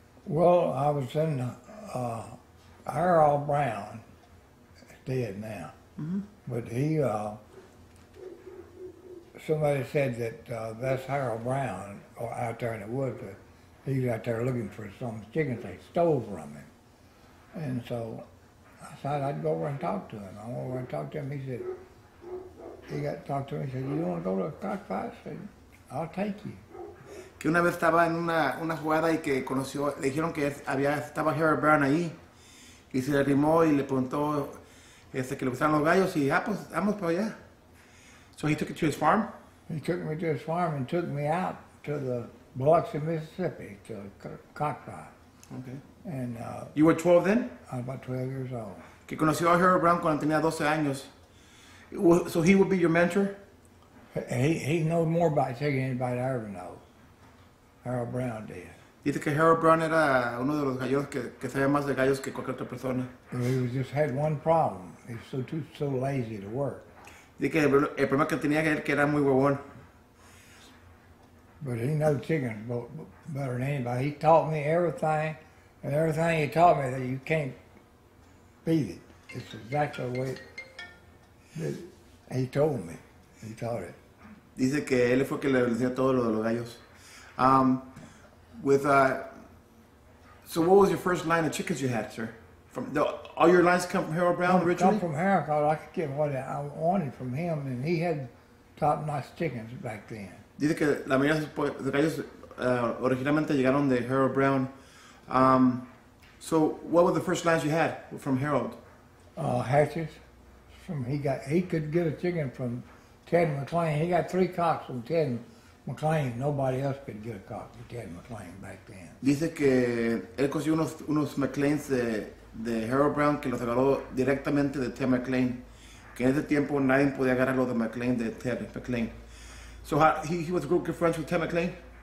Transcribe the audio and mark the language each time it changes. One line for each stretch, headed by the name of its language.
English: Well, I was in Harold Brown, dead now, but he somebody said that that's Harold Brown out there in the woods. He's out there looking for some chickens they stole from him, and so. I said I'd go over and talk to him. I went over and talked to him. He said, you want to go to a cockfight? I said, I'll take you.
Spanish: Que una vez estaba en una jugada y que conoció, le dijeron que estaba Harold Brown ahí. Y se le arrimó y le preguntó que le gustaban los gallos y pues vamos para allá.
English: So he took it to his farm? He took me to his farm and took me out to the Blocks of Mississippi to cockfight. Okay. And you were 12 then? I was about 12 years old.
Spanish: Que conoció a Harold Brown cuando tenía 12 años.
English: So he would be your mentor? He knows more about chicken than anybody I ever know. Harold Brown did.
Spanish: Dice que Harold Brown era uno de los galleros que sabía más de gallos que cualquier otra persona.
English: He just had one problem. He was so lazy to work.
Spanish: Dice que el problema que tenía era que era muy huevón.
English: But he knows chickens better than anybody. He taught me everything, and everything he taught me that you can't beat it. It's exactly the way that he told me. He taught it.
Spanish: Dice que él fue que le enseñó todo lo de los gallos.
English: So what was your first line of chickens you had, sir? From the, all your lines come from Harold Brown originally? Come from Harold, because I could get what I wanted from him, and he had top-notch chickens back then.
Spanish: Dice que la mayoría de los gallos originalmente llegaron de Harold Brown.
English: So what were the first lines you had from Harold? Hatches. He could get a chicken from Ted McLean. He got three cocks from Ted McLean. Nobody else could get a cock from Ted McLean back then.
Spanish: Dice que él consiguió unos McLeans de Harold Brown que los agarró directamente de Ted McLean. Que en ese tiempo nadie podía agarrar los de McLean de Ted McLean.
English: So he was good friends with Ted McLean?